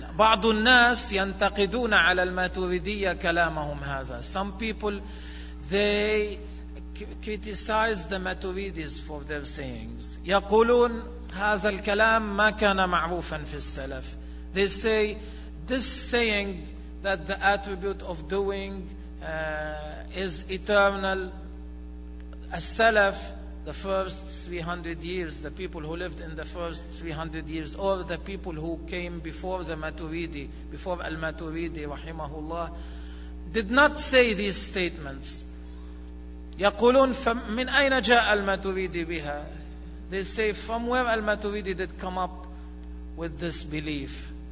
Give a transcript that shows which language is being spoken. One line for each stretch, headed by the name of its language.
Arabic: هلا بعض الناس ينتقدون على الماتريدية كلامهم هذا.
English: Some people they criticize the Maturidis for their sayings.
Arabic: يقولون هذا الكلام ما كان معروفا في السلف.
English: They say, this saying that the attribute of doing is eternal, as-salaf, the first 300 years, the people who lived in the first 300 years, or the people who came before the Maturidi, before Al-Maturidi, rahimahullah, did not say these statements.
Arabic: يقولون فمن أين جاء الماتريدي بها?
English: They say, from where Al-Maturidi did come up with this belief?